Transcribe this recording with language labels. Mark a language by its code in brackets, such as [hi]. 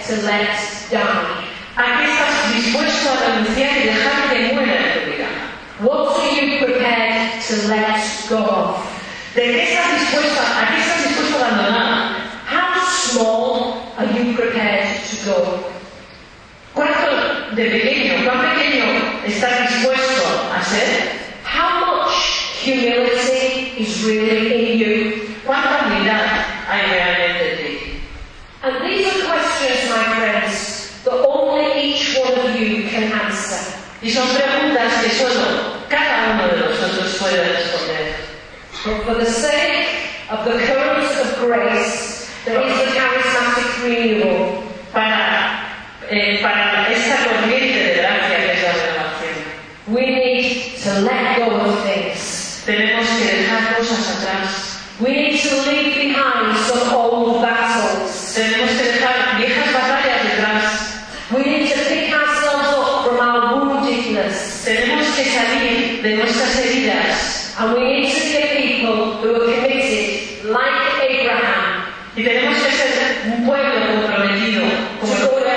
[es] ¿A qué estás dispuesto a renunciar y dejar que muera en tu vida? [en] What are you prepared to let go of? [es] ¿De qué estás dispuesto? ¿A qué estás dispuesto a abandonar? [en] How small are you prepared to go? [es] ¿Cuánto de pequeño, cuán pequeño estás dispuesto a ser? [en] How much humility is really in you? [es] ¿Cuánta humildad hay realmente en ti? [en] And these are questions, my friends, that only each one of you can answer. [es] Y son preguntas que solo cada uno de nosotros pueda responder. [en] For the sake of the currents of grace, there is a charismatic renewal. [es] Para esta corriente de gracia que es la renovación, [en] we need to let go of things. [es] Tenemos que dejar cosas atrás. [en] We need to leave behind some old battles. [es] Tenemos que dejar viejas batallas atrás. [en] We need to pick ourselves up from our woundedness. [es] Tenemos que salir de nuestras heridas. [en] And we need to be people who are committed, like Abraham. [es] Y tenemos que ser un pueblo comprometido, como